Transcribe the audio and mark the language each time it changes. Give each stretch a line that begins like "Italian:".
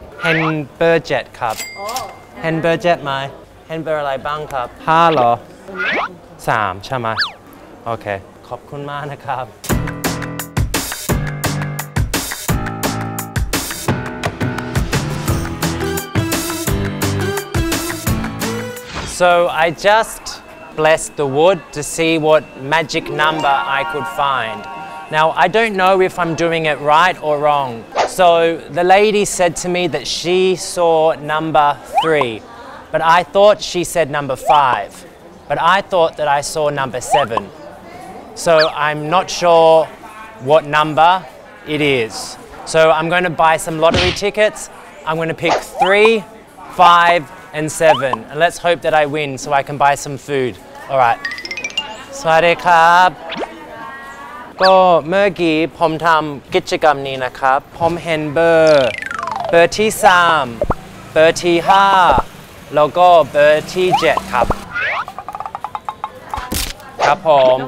Thai: แฮนเบอร์เจ็ตครับแฮนเบอร์เจ็ตไหมแฮนเบอร์อะไรบ้างครับ5เหรอ3ใช่ไหมโอเคขอบคุณมากนะครับ
English: So I just blessed the wood to see what magic number I could find. Now I don't know if I'm doing it right or wrong. So the lady said to me that she saw number 3, but I thought she said number 5, but I thought that I saw number 7. So I'm not sure what number it is. So I'm going to buy some lottery tickets. I'm going to pick 3, 5, and 7. And let's hope that I win so I can buy some food. All right.
Thai: สวัสดีครับก็เมื่อกี้ผมทำกิจกรรมนี้นะครับผมเห็นเบอร์ที่3เบอร์ที่5แล้วก็เบอร์ที่7ครับครับผม